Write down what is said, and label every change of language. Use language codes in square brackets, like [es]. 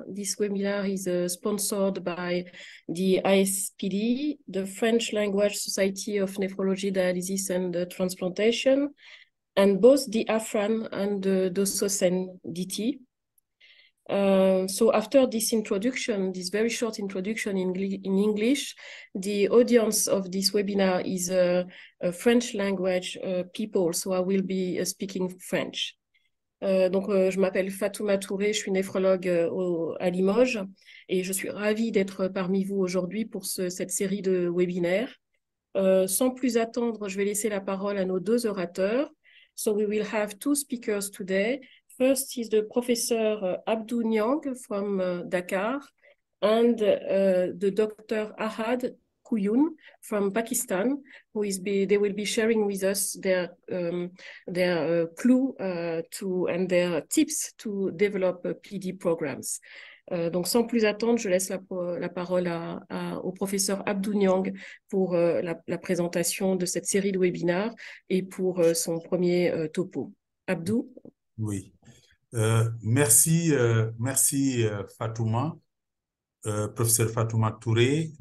[en] This webinar is sponsored by the ASPD, the French Language Society of Nephrology, Dialysis and Transplantation, and both the AFRAN and the DOSOCN-DT. So after this introduction, this very short introduction in English, the audience of this webinar is a French language people, so I will be speaking French. [fr] Donc, je m'appelle Fatouma Touré, je suis néphrologue à Limoges et je suis ravie d'être parmi vous aujourd'hui pour cette série de webinaires. Sans plus attendre, je vais laisser la parole à nos deux orateurs. [en] So we will have two speakers today. First is the professor Abdou Niang from Dakar, and the doctor Ahad Kouyoun from Pakistan, who is be they will be sharing with us their clue to and their tips to develop PD programs. [fr] Donc sans plus attendre, je laisse la parole au professeur Abdou Niang pour la présentation de cette série de webinaires et pour son premier topo. Abdou. Oui, merci Fatouma, professeur Fatouma Touré.